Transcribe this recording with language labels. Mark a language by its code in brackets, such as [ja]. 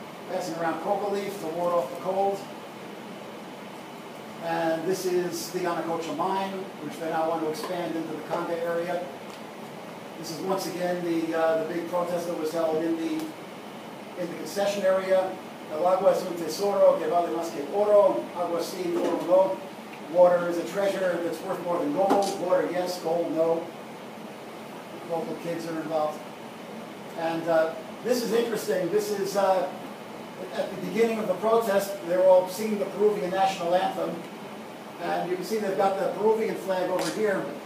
[en] Passing around coca leaf to ward off the cold. And this is the Anacocha mine, which they now want to expand into the Conga area. This is once again the big protest that was held in the concession area. [es] El agua es un tesoro que vale más que oro. Agua sí, oro no. [en] Water is a treasure that's worth more than gold. Water, yes. Gold, no. Local kids are involved. And this is interesting. This is at the beginning of the protest, they're all singing the Peruvian national anthem. And you can see they've got the Peruvian flag over here.